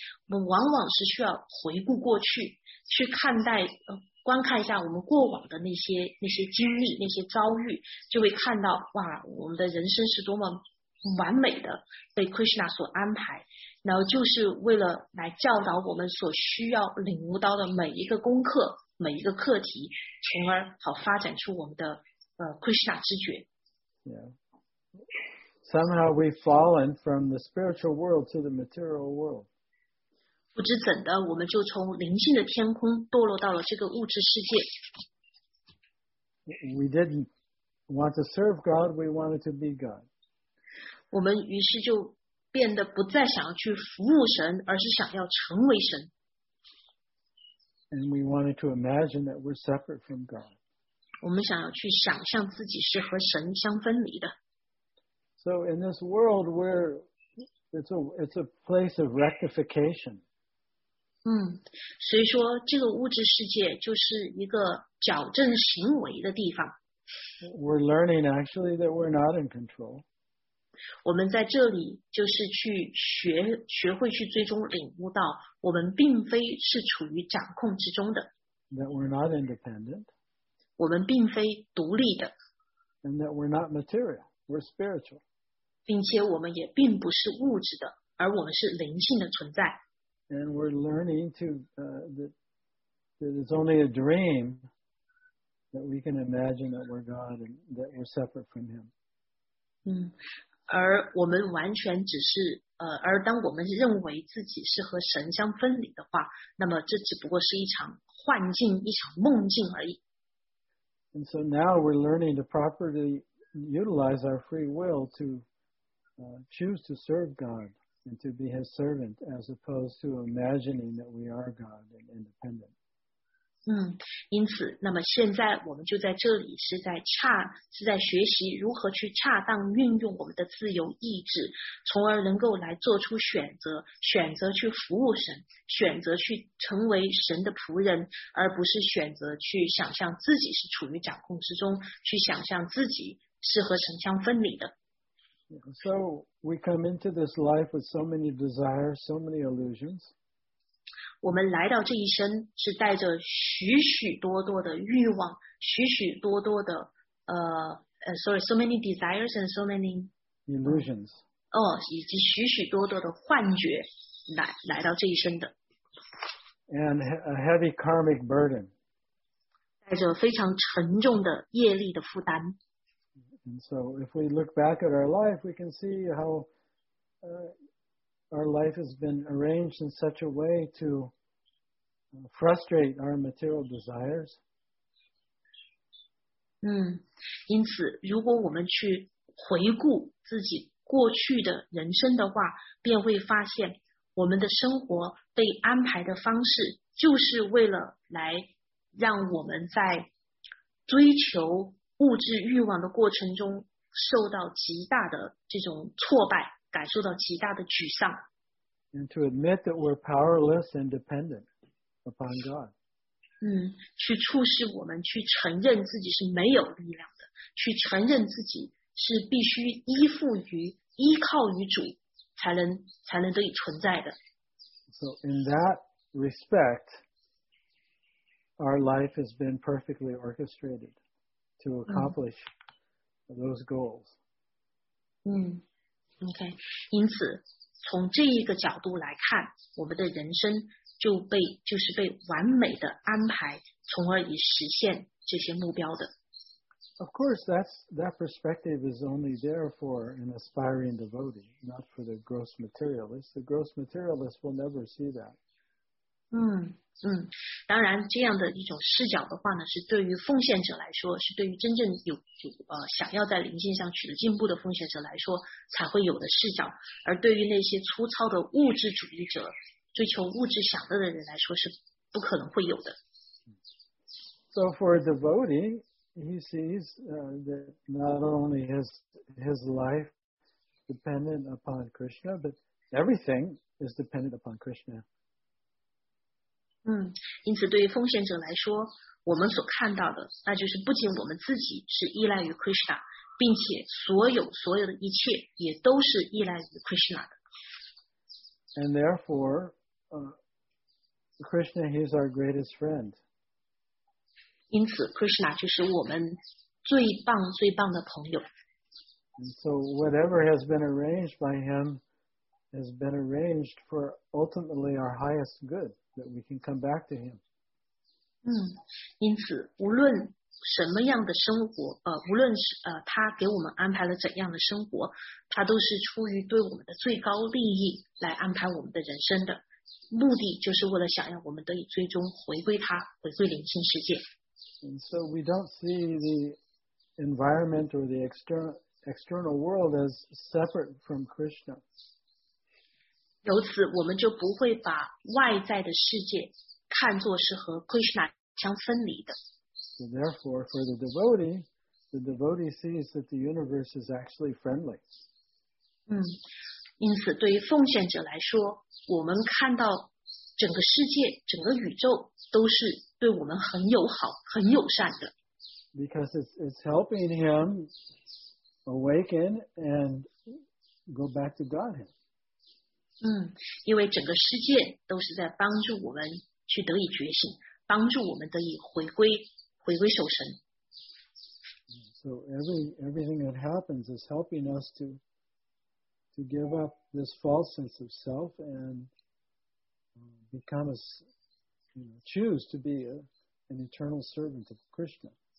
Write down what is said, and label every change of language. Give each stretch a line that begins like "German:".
Chinese: 我们往往是需要回顾过去，去看待观看一下我们过往的那些经历，那些遭遇，就会看到哇，我们的人生是多么完美的被 Krishna 所安排，然后就是为了来教导我们所需要领悟到的每一个功课，每一个课题，从而好发展出我们的Krishna 知觉。
English: Yeah. Somehow we've fallen from the spiritual world to the material world.
Chinese: 不知怎的，我们就从灵性的天空堕落到了这个物质世界。
English: We didn't want to serve God, we wanted to be God.
Chinese: 我们于是就变得不再想要去服务神，而是想要成为神。
English: And we wanted to imagine that we're separate from God.
Chinese: 我们想要去想象自己是和神相分离的。
English: So in this world where it's a place of rectification.
Chinese: 所以说这个物质世界就是一个矫正行为的地方。
English: We're learning actually that we're not in control.
Chinese: 我们在这里就是去学会去最终领悟到我们并非是处于掌控之中的。
English: That we're not independent.
Chinese: 我们并非独立的。
English: And that we're not material, we're spiritual.
Chinese: 并且我们也并不是物质的，而我们是灵性的存在。
English: And we're learning to that it's only a dream that we can imagine that we're God and that we're separate from Him.
Chinese: 而我们完全只是而当我们认为自己是和神相分离的话，那么这只不过是一场幻境，一场梦境而已。
English: And so now we're learning to properly utilize our free will to choose to serve God. And to be his servant, as opposed to imagining that we are God and independent.
Chinese: 因此，那么现在我们就在这里，是在学习如何去恰当运用我们的自由意志，从而能够来做出选择，选择去服务神，选择去成为神的仆人，而不是选择去想象自己是处于掌控之中，去想象自己是和神相分离的。
English: So we come into this life with so many desires, so many illusions.
Chinese: 我们来到这一生是带着许许多多的欲望，许许多多的
English: so many desires and so many illusions.
Chinese: 以及许许多多的幻觉来到这一生的。
English: And a heavy karmic burden.
Chinese: 带着非常沉重的业力的负担。
English: And so if we look back at our life, we can see how our life has been arranged in such a way to frustrate our material desires.
Chinese: 因此如果我们去回顾自己过去的人生的话，便会发现我们的生活被安排的方式就是为了来让我们在追求物质欲望的过程中受到极大的这种挫败，感受到极大的沮丧。
English: And to admit that we're powerless and dependent upon God.
Chinese: 去促使我们去承认自己是没有力量的，去承认自己是必须依附于、依靠于主，才能得以存在的。
English: So in that respect, our life has been perfectly orchestrated. To accomplish those goals. Okay.
Chinese: 因此，从这一个角度来看，我们的人生就是被完美的安排，从而以实现这些目标的。
English: Of course, that perspective is only there for an aspiring devotee, not for the gross materialist. The gross materialist will never see that.
Chinese: 当然这样的一种视角的话呢，是对于奉献者来说，是对于真正有想要在灵性上取得进步的奉献者来说才会有的视角，而对于那些粗糙的物质主义者，追求物质享乐的人来说是不可能会有的。
English: So for a devotee, he sees that not only his life dependent upon Krishna, but everything is dependent upon Krishna.
Chinese: 因此对于奉献者来说，我们所看到的，那就是不仅我们自己是依赖于 Krishna， 并且所有的一切也都是依赖于 Krishna 的。
English: And therefore, Krishna is our greatest friend.
Chinese: 因此 Krishna 就是我们最棒最棒的朋友。
English: And so whatever has been arranged by him has been arranged for ultimately our highest good. That we can come back to him.
Chinese: 因此无论什么样的生活，无论是他给我们安排了怎样的生活，他都是出于对我们的最高利益来安排我们的人生的，目的就是为了想要我们得以最终回归他，回归灵性世界。
English: And so we don't see the environment or the external world as separate from Krishna.
Chinese: 由此我们就不会把外在的世界看作是和 Krishna 相分离的。
English: So therefore, for the devotee sees that the universe is actually friendly.
Chinese: 因此对于奉献者来说，我们看到整个世界、整个宇宙都是对我们很友好、很友善的。
English: Because it's helping him awaken and go back to Godhead.
Chinese: 因为整个世界都是在帮助我们去得以觉醒，帮助我们得以回归守神。
English: So everything that happens is helping us to give up this false sense of self and become choose to be an eternal servant of Krishna.